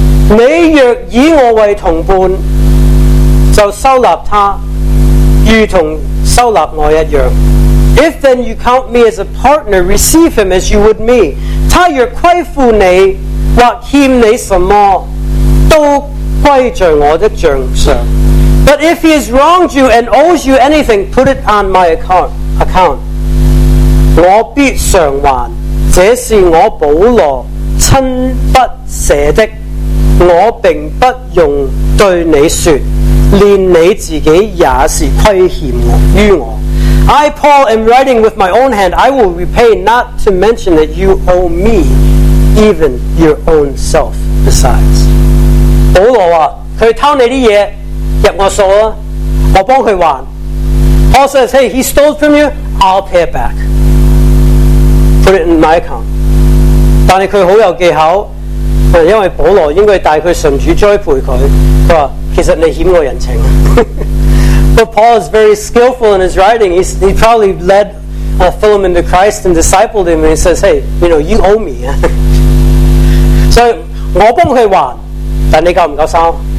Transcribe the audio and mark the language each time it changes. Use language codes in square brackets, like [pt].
[zh] 你若以我为同伴，就收纳他，如同收纳我一样。 [en] If then you count me as a partner, receive him as you would me. [zh] 他若亏负你或欠你什么，都归在我的账上。 [en] But if he has wronged you and owes you anything, put it on my account. [zh] 我必偿还，这是我保罗亲笔写的，我并不用对你说，连你自己也是亏欠于我。 [en] I, Paul, am writing with my own hand. I will repay, not to mention that you owe me even your own self besides. [zh] 保罗说，他偷你的东西，入我数了，我帮他还。 [en] Paul says, hey, he stole from you, I'll pay it back. Put it in my account. [zh] 但是他很有技巧，因为保罗应该带他上主栽培他，他说，其实你欠我人情。 [en] But Paul is very skillful in his writing. He probably led Philemon to Christ and discipled him. And he says, hey, you know, you owe me. [zh] So, 我帮他还，但你够不够收？